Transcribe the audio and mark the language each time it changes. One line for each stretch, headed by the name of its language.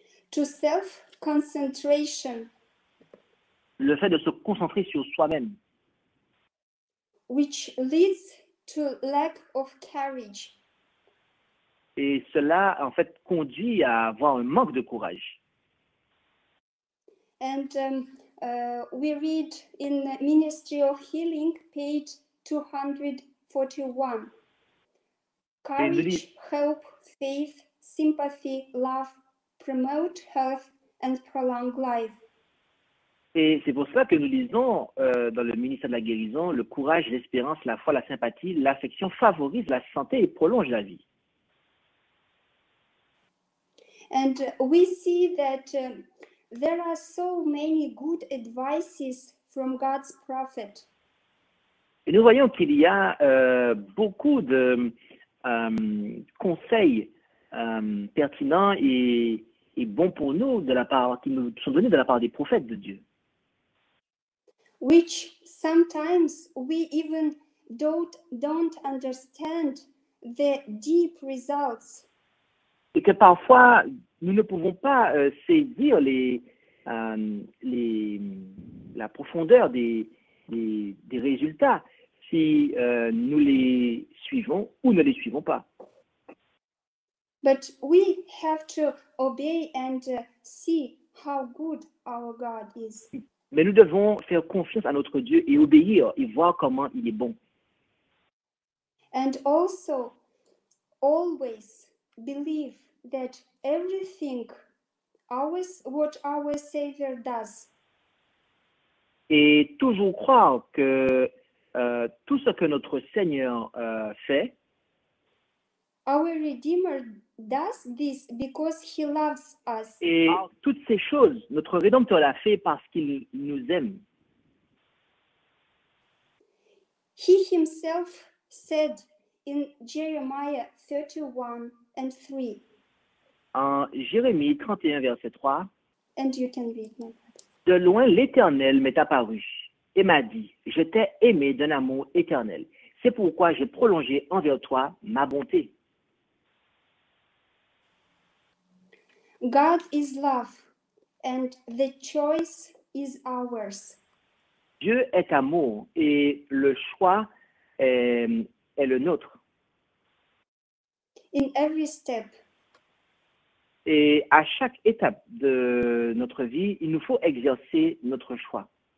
English: To self-concentration.
French: Le fait de se concentrer sur soi-même.
English: Which leads to lack of courage.
French: Et cela, en fait, conduit à avoir un manque de courage.
English: And we read in the Ministry of Healing, page 241. Courage, help, faith, sympathy, love, promote health and prolong life.
French: Et c'est pour cela que nous lisons dans le ministère de la guérison, le courage, l'espérance, la foi, la sympathie, l'affection favorise la santé et prolonge la vie.
English: And we see that there are so many good advices from God's prophet.
French: Et nous voyons qu'il y a beaucoup de conseils pertinents et bons pour nous de la part qui nous sont donnés de la part des prophètes de Dieu.
English: Which sometimes we even don't understand the deep results.
French: Et que parfois nous ne pouvons pas saisir la profondeur des résultats si nous les suivons ou ne les suivons pas.
English: But we have to obey and see how good our God is.
French: Mais nous devons faire confiance à notre Dieu et obéir et voir comment il est bon.
English: And also always believe that everything always what our Savior does.
French: Et toujours croire que tout ce que notre Seigneur fait.
English: Our Redeemer does this because he loves us.
French: Et toutes ces choses, notre Rédempteur l'a fait parce qu'il nous aime.
English: He himself said in Jeremiah 31 and 3.
French: En Jérémie 31, verset 3,
English: and you can read my...
French: De loin, l'Éternel m'est apparu et m'a dit, « Je t'ai aimé d'un amour éternel. C'est pourquoi j'ai prolongé envers toi ma bonté. »
English: God is love, and the choice is ours.
French: Dieu est amour et le choix est le nôtre.
English: In every step.
French: Et à chaque étape de notre vie, il nous faut exercer notre choix.